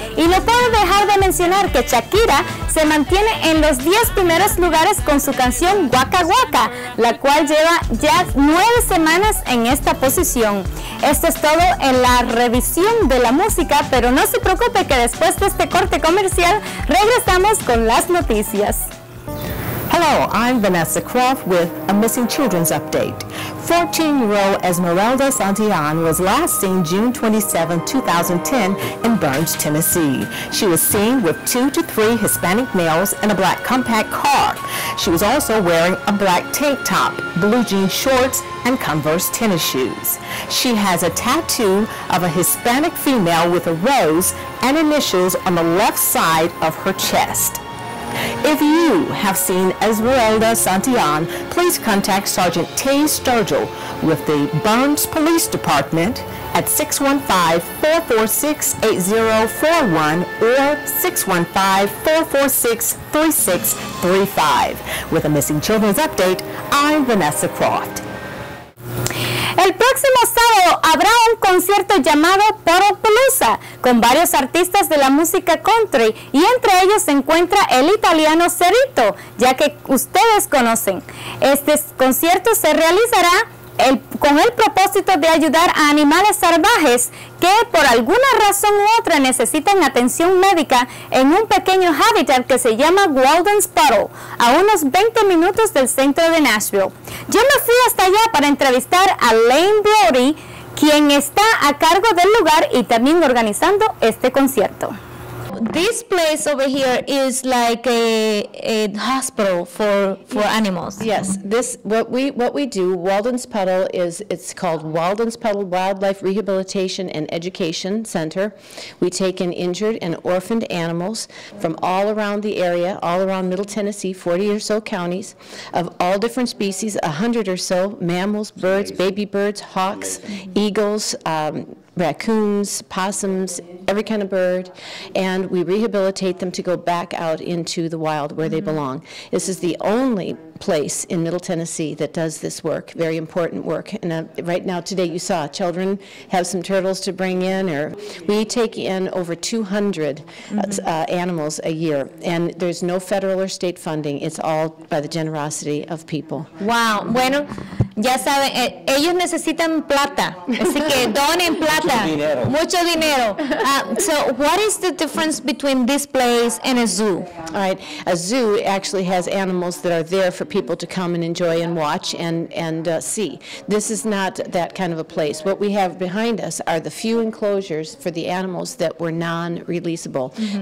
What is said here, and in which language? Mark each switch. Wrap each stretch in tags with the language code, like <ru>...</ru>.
<es>Y no puedo dejar de mencionar que Shakira se mantiene en los 10 primeros lugares con su canción Waka Waka, la cual lleva ya 9 semanas en esta posición. Esto es todo en la revisión de la música, pero no se preocupe que después de este corte comercial regresamos con las noticias.</es> <en>Hello, I'm Vanessa Croft with a missing children's update. 14-year-old Esmeralda Santillan was last seen June 27, 2010 in Burns, Tennessee. She was seen with 2 to 3 Hispanic males in a black compact car. She was also wearing a black tank top, blue jean shorts, and Converse tennis shoes. She has a tattoo of a Hispanic female with a rose and initials on the left side of her chest. If you have seen Esmeralda Santillan, please contact Sergeant Tay Sturgill with the Burns Police Department at 615-446-8041 or 615-446-3635. With a missing children's update, I'm Vanessa Croft.</en> <es>El próximo sábado habrá un concierto llamado Puddle Palooza con varios artistas de la música country y entre ellos se encuentra el italiano Cerrito, ya que ustedes conocen. Este concierto se realizará con el propósito de ayudar a animales salvajes que por alguna razón u otra necesitan atención médica en un pequeño hábitat que se llama Walden's Puddle, a unos 20 minutos del centro de Nashville. Yo me fui hasta allá para entrevistar a Lane Brody, quien está a cargo del lugar y también organizando este concierto.</es> <en>This place over here is like a hospital for animals. Yes, what we do, Walden's Puddle it's called Walden's Puddle Wildlife Rehabilitation and Education Center. We take in injured and orphaned animals from all around the area, all around Middle Tennessee, 40 or so counties, of all different species, 100 or so, mammals, birds, baby birds, hawks, eagles, raccoons, possums, every kind of bird, and we rehabilitate them to go back out into the wild where they belong. This is the only place in Middle Tennessee that does this work, very important work. And right now, today, you saw children have some turtles to bring in. Or we take in over 200 animals a year, and there's no federal or state funding. It's all by the generosity of people. Wow.</en> <es>Bueno, ya saben, ellos necesitan plata, así que donen plata, mucho dinero.</es> <en>So what is the difference between this place and a zoo? All right, a zoo actually has animals that are there for people to come and enjoy and watch and see. This is not that kind of a place. What we have behind us are the few enclosures for the animals that were non-releasable. Mm-hmm.</en>